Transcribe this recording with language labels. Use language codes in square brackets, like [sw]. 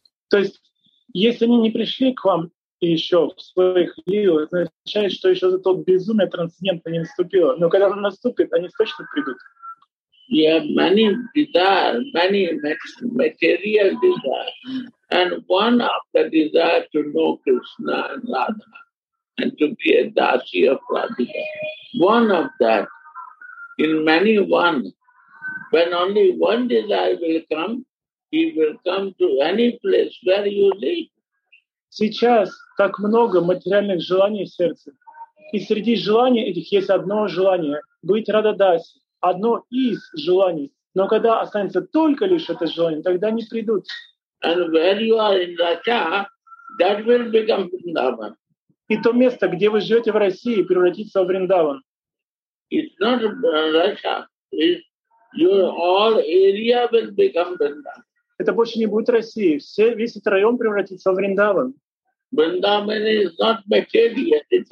[ru] То есть, если они не пришли к вам еще в своих лилах, это означает, что еще за тот безумие трансцендент не наступило. Но когда он наступит, они точно придут. [en] You have many desires, many material desires, and one of the desires to know Krishna and Radha, and to be a dasi of Radha. One of that, in many one, when only one desire will come, He will come to any place where you live. [ru] Сейчас так много материальных желаний в сердце. И среди желаний этих есть одно желание — быть Рададаси. Одно из желаний. Но когда останется только лишь это желание, тогда они придут. [en] And where you are in Russia, that will become Vrindavan. [ru] И то место, где вы живете в России, превратится в Вриндаван. [en] It's not Russia. It's your all area will become Vrindavan. [ru] Это больше не будет России. Весь этот район превратится в Вриндаван. [en] Vrindavan is not material.